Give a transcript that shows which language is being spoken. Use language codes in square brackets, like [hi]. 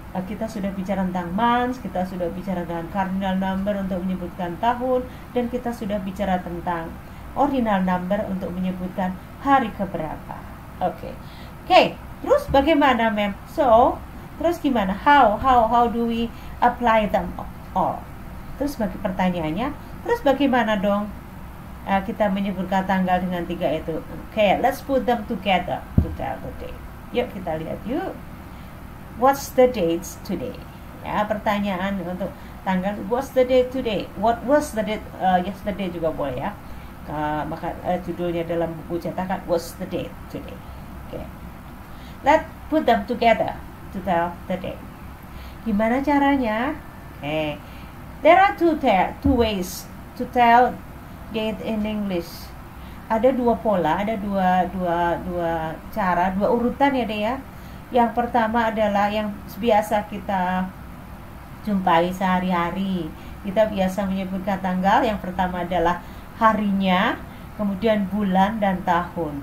[id] Kita sudah bicara tentang months, kita sudah bicara tentang cardinal number untuk menyebutkan tahun, dan kita sudah bicara tentang ordinal number untuk menyebutkan hari keberapa. Oke. Oke. Terus bagaimana, ma'am? So, terus gimana? [en] How do we apply them all? [id] Terus bagi pertanyaannya, terus bagaimana dong kita menyebutkan tanggal dengan tiga itu? [en] Okay, let's put them together to tell the day. [id] Yuk, kita lihat yuk. [en] What's the date today? [id] Ya, pertanyaan untuk tanggal. [en] What's the date today? What was the date yesterday [id] juga boleh ya. Maka judulnya dalam buku cetakan, [en] what's the date today? [id] Okay. [en] Let's put them together to tell the day. [id] Gimana caranya? [en] Okay. There are two ways to tell date in English. [id] Ada dua pola, ada dua cara, dua urutan ya deh ya. Yang pertama adalah yang biasa kita jumpai sehari-hari. Kita biasa menyebutkan tanggal yang pertama adalah harinya, kemudian bulan dan tahun.